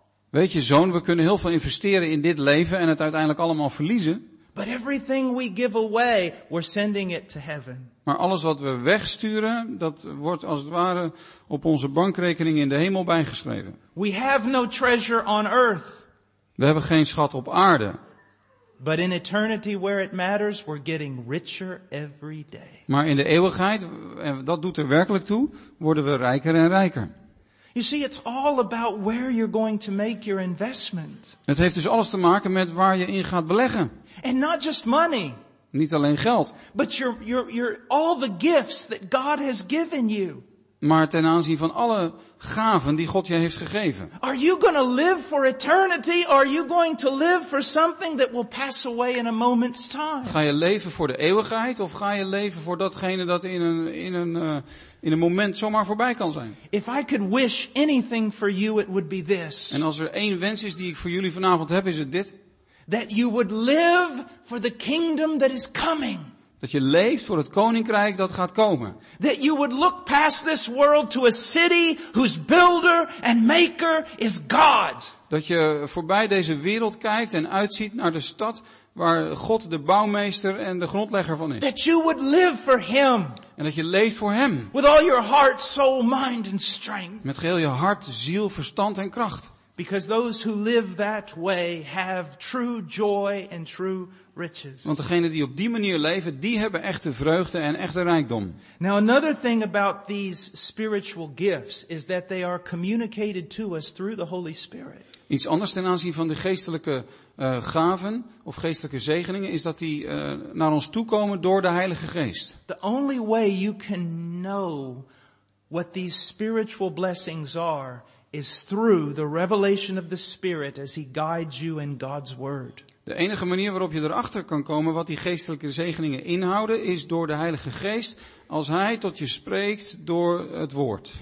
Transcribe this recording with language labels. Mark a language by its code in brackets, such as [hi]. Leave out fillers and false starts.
[nl] Weet je, zoon, we kunnen heel veel investeren in dit leven en het uiteindelijk allemaal verliezen. [en] But everything we give away, we're sending it to heaven. [nl] Maar alles wat we wegsturen, dat wordt als het ware op onze bankrekening in de hemel bijgeschreven. [en] We have no treasure on earth. [nl] We hebben geen schat op aarde. [en] But in eternity where it matters, we're getting richer every day. [nl] Maar in de eeuwigheid, en dat doet er werkelijk toe, worden we rijker en rijker. [en] You see, it's all about where you're going to make your investment. [nl] Het heeft dus alles te maken met waar je in gaat beleggen. [en] And not just money. [nl] Niet alleen geld. [en] But your all the gifts that God has given you. [nl] Maar ten aanzien van alle gaven die God je heeft gegeven. [en] Are you going to live for eternity or are you going to live for something that will pass away in a moment's time? [nl] Ga je leven voor de eeuwigheid of ga je leven voor datgene dat in een moment zomaar voorbij kan zijn? [en] If I could wish anything for you, it would be this. [nl] En als er één wens is die ik voor jullie vanavond heb, is het dit. [en] That you would live for the kingdom that is coming. [nl] Dat je leeft voor het koninkrijk dat gaat komen. [en] That you would look past this world to a city whose builder and maker is God. [nl] Dat je voorbij deze wereld kijkt en uitziet naar de stad waar God de bouwmeester en de grondlegger van is. [en] That you would live for him. [nl] En dat je leeft voor hem. [en] With all your heart, soul, mind and strength. [nl] Met geheel je hart, ziel, verstand en kracht. [en] Because those who live that way have true joy and true riches. [nl] Want degenen die op die manier leven, die hebben echte vreugde en echte rijkdom. [en] Now another thing about these spiritual gifts is that they are communicated to us through the Holy Spirit. [nl] Iets anders ten aanzien van de geestelijke gaven of geestelijke zegeningen is dat die naar ons toekomen door de Heilige Geest. [en] The only way you can know what these spiritual blessings are is through the revelation of the Spirit as he guides you in God's word. [nl] De enige manier waarop je erachter kan komen wat die geestelijke zegeningen inhouden is door de Heilige Geest als hij tot je spreekt door het woord.